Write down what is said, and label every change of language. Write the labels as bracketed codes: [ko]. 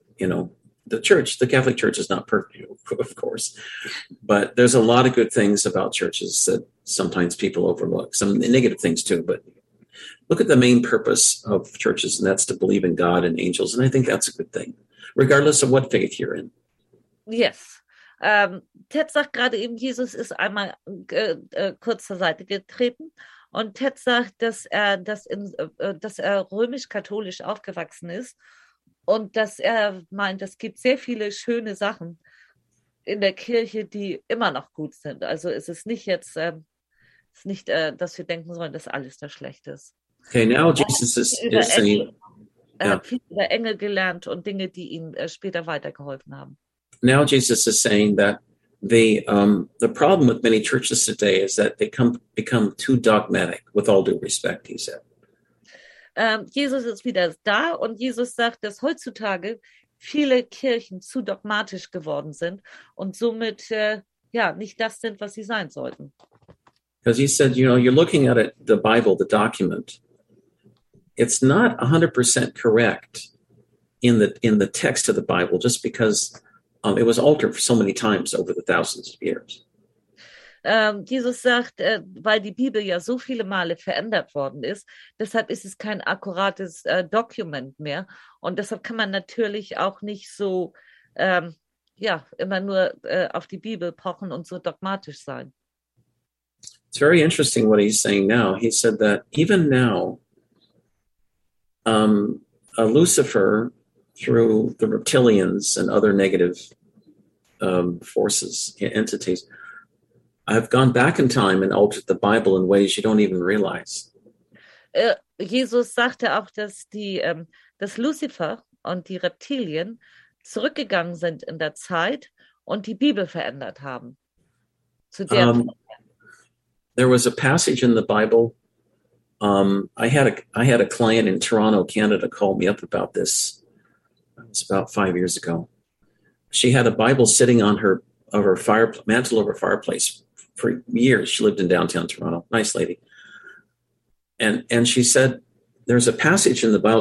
[en] You know, the Catholic Church is not perfect, of course, but there's a lot of good things about churches that sometimes people overlook. Some negative things too, but look at the main purpose of churches, and that's to believe in God and angels. And I think that's a good thing, regardless of what faith you're in. Yes. [de] Ted sagt gerade eben, Jesus ist einmal kurz zur Seite getreten. Und Ted sagt, dass er römisch-katholisch aufgewachsen ist. Und dass er meint, es gibt sehr viele schöne Sachen in der Kirche, die immer noch gut sind. Also es ist nicht jetzt, ist nicht, dass wir denken sollen, dass alles da schlecht ist. [en] Okay, now Jesus is saying, [de] er hat viel über Engel gelernt und Dinge, die ihm später weitergeholfen haben. [en] Now Jesus is saying that the problem with many churches today is that they become too dogmatic, with all due respect, he said. [de] Jesus ist wieder da und Jesus sagt, dass heutzutage viele Kirchen zu dogmatisch geworden sind und somit nicht das sind, was sie sein sollten. [en] Because he said, you know, you're looking at it, the Bible, the document. It's not 100% correct in the text of the Bible, just because it was altered so many times over the thousands of years. [de] Jesus sagt, weil die Bibel ja so viele Male verändert worden ist, deshalb ist es kein akkurates Dokument mehr. Und deshalb kann man natürlich auch nicht so immer nur auf die Bibel pochen und so dogmatisch sein. [en] It's very interesting what he's saying now. He said that even now, a Lucifer, through the reptilians and other negative forces, entities, have gone back in time and altered the Bible in ways you don't even realize. [de] Jesus sagte auch, dass dass Lucifer und die Reptilien zurückgegangen sind in der Zeit und die Bibel verändert haben. Zu der [en] There was a passage in the Bible. I had a client in Toronto, Canada, call me up about this. It's about 5 years ago. She had a Bible sitting on her mantle over fireplace for years. She lived in downtown Toronto. Nice lady. And she said, there's a passage in the Bible.